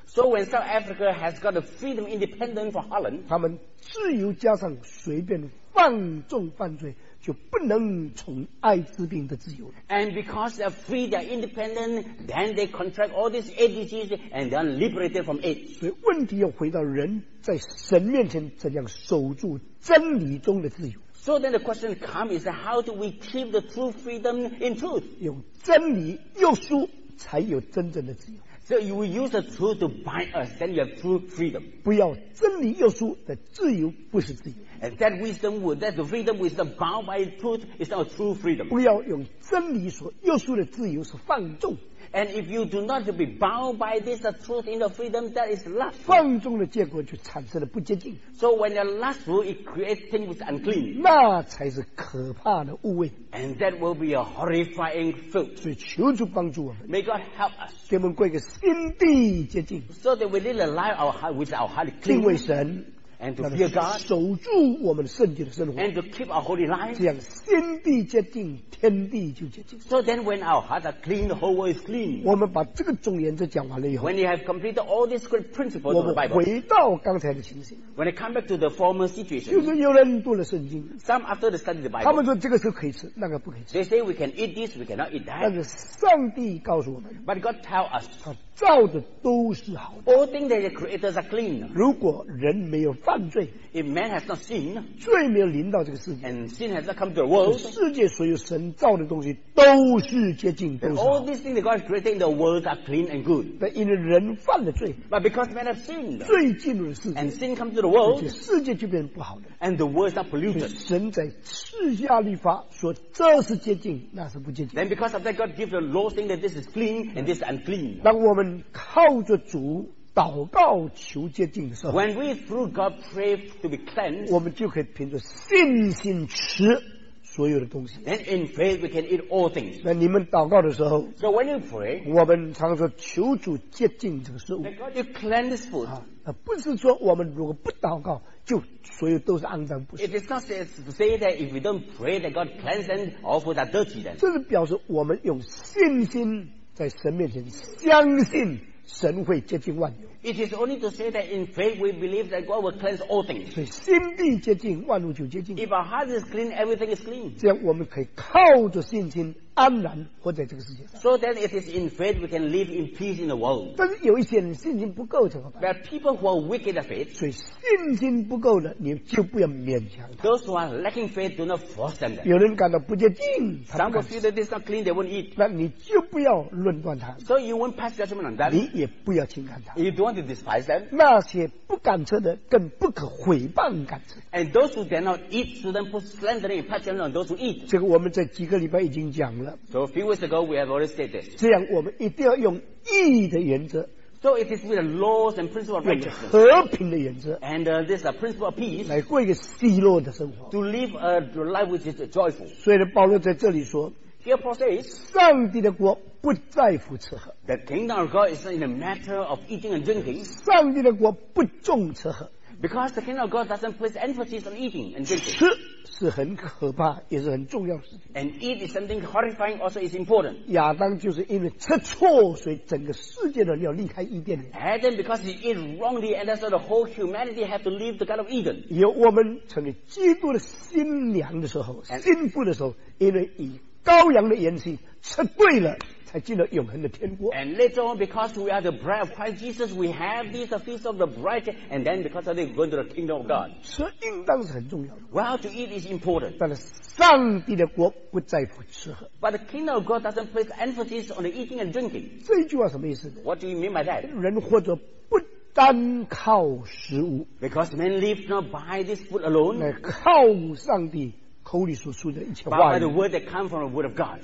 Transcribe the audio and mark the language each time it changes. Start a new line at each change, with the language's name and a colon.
English: so when South Africa has got the freedom independent for Holland
Chinese: 他们自由加上随便放纵犯罪就不能从艾滋病的自由了。
English: And because they're free, they're independent, then they contract all these AIDS diseases and they're liberated from AIDS.
Chinese: 所以问题要回到人在神面前怎样守住真理中的自由。
English: So then the question comes is how do we keep the true freedom in truth?
Chinese: 用真理约束才有真正的自由。
English: So you will use the truth to bind us, then you have true freedom.
Chinese: 不要真理约束的自由不是自由。
English: And that wisdom, that the freedom which is bound by truth is not a true freedom.
Chinese: 不要用真理所约束的自由是放纵。
English: And if you do not be bound by this truth in the freedom, that is lust.
Chinese: 放纵的结果就产生了不洁净。
English: So when you're lustful, it creates things which are unclean.
Chinese: 那才是可怕的污秽。
English: And that will be a horrifying fruit.
Chinese: 所以求主帮助我们。
English: May God help us.
Chinese: 给我们过一个心地洁净。
English: So that we live a life our heart, with our heart clean.
Chinese: 敬畏神。
English: and to fear God，
Chinese: 守住我们圣洁的生活
English: ，and to keep our holy life，
Chinese: 这样先地洁净，天地就洁净。
English: So then when our hearts are clean, the whole world is clean。
Chinese: 我们把这个总原则讲完了以后
English: ，when you have completed all these great principles of the Bible，
Chinese: 我们回到刚才的情形
English: ，when you come back to the former situation，
Chinese: 就是有人读了圣经
English: ，some after the study of the Bible，
Chinese: 他们说这个是可以吃，那个不可以吃。
English: They say we can eat this, we cannot eat that。
Chinese: 但是上帝告诉我们
English: ，but God tell us，
Chinese: 他造的都是好的
English: ，all things that the creators are clean。
Chinese: 如果人没有犯罪
English: ，If man has not sinned，
Chinese: 罪没有临到这个世界
English: ，and sin has not come to the world，
Chinese: 世界所有神造的东西都是洁净，都是好。
English: All these things that God has created in the world are clean and good。
Chinese: 但因为人犯了罪
English: ，but because man has sinned，
Chinese: 罪进入了世界
English: ，and sin comes to the world，
Chinese: 世界就变成不好的
English: ，and the world is not polluted。
Chinese: 神在赐下律法说这是洁净，那是不洁净。
English: Then because of that God gives the law saying that this is clean and this is unclean。
Chinese: 当我们靠着主。祷告求洁净的时候
English: When we through God pray to be cleansed
Chinese: 我们就可以凭着信心吃所有的东西
English: Then in faith we can eat all things
Chinese: 那你们祷告的时候
English: So when you pray
Chinese: 我们常说求主洁净这个食物
English: God you cleanse this food
Chinese: 那不是说我们如果不祷告就所有都是肮脏不是
English: It is not to say that if we don't pray that God cleanse and all food are dirty then
Chinese: 这是表示我们用信心在神面前相信神会接近万有
English: It is only to say that in faith we believe that God will cleanse all things
Chinese: 所以心地接近万物就接近
English: If our heart is clean everything is clean
Chinese: 这样我们可以靠着信心安然活在这个世界上
English: So then it is in faith we can live in peace in the world
Chinese: 但是有一些人信心不够怎么办
English: There are people who are weak in the faith
Chinese: 所以信心不够了你就不要勉强他
English: Those who are lacking faith do not force them
Chinese: 有人感到不接近
English: Some will feel that this is not clean they won't eat
Chinese: 那你就不要论断他
English: So you won't pass judgment on that
Chinese: 你也不要轻看他
English: You don't want to despise them
Chinese: 那些不敢吃的更不可毁谤敢吃
English: And those who dare not eat shouldn't put slandering and pass judgment on those who eat
Chinese: 这个我们在几个礼拜已经讲了
English: So a few weeks ago, we have already said this.
Chinese: 这样我们一定要用义的原则。
English: So it is with the laws and principle of righteousness.
Chinese: 用和平的原则。
English: And this is a principle of peace.
Chinese: 来过一个喜乐的生活。
English: To live a life which is joyful.
Chinese: 所以保罗在这里说。
English: Here Paul says,
Chinese: 上帝的国不在乎吃喝。
English: The kingdom of God is not in a matter of eating and drinking.
Chinese: 上帝的国不重吃喝。
English: Because the kingdom of God doesn't place emphasis on eating and drinking.
Chinese: 吃是很可怕，也是很重要的事情。
English: And eat is something horrifying, also is important.
Chinese: 亚当就是因为吃错，所以整个世界的人要离开伊甸园。
English: Adam, because he ate wrongly, and that's why the whole humanity have to leave the Garden of Eden.
Chinese: 有我们成为基督的新娘的时候，新妇的时候，因为以羔羊的筵席吃对了。才进了永恒的天国。
English: And later on, because we are the bride of Christ Jesus, we have this feast of the bride, and then because of that, we go to the kingdom of God.
Chinese: 吃应当是很重要的。
English: Well, to eat is important.
Chinese: 但是上帝的国不在乎吃喝。
English: But the kingdom of God doesn't place emphasis on the eating and drinking.
Chinese: 这句话什么意思？
English: What do you mean by that?
Chinese: 人活着不单靠食物。
English: Because men live not by this food alone.
Chinese: 来靠上帝。口里所说的一切话语
English: by the word that come from the word of God